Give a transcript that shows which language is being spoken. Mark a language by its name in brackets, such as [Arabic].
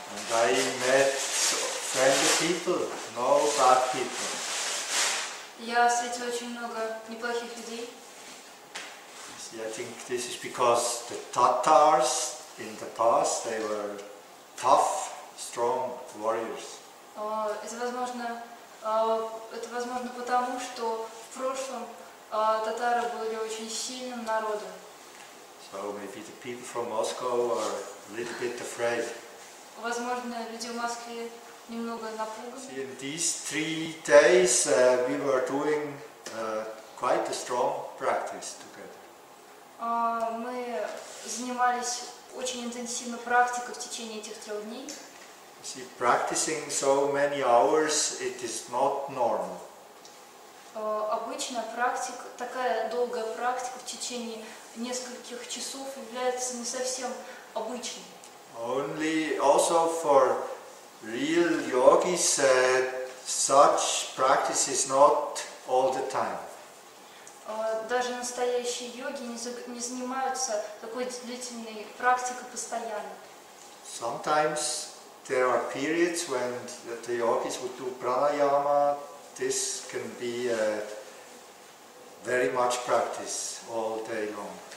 [English] And I met friendly people, no bad people. [Russian] Я встретил очень много неплохих людей. [English] I think this is because the Tatars in the past they were tough, strong warriors. [Russian] Это возможно потому, что в прошлом татары были очень сильным народом. [English] So maybe the people from Moscow are a little bit afraid. [Russian] Возможно, люди в Москве немного напуганы. [English] See, in these 3 days we were doing quite a strong practice together. [Russian] Мы занимались очень интенсивно практикой в течение этих 3 дней. [English] See, practicing so many hours, it is not normal. [Russian] Обычно практика, такая долгая практика в течение нескольких часов является не совсем обычной. [English] Only also for real yogis such practice is not all the time. [Russian] Даже настоящие йоги не занимаются такой длительной практикой постоянно. [English] Sometimes there are periods when the yogis would do pranayama. This can be very much practice all day long.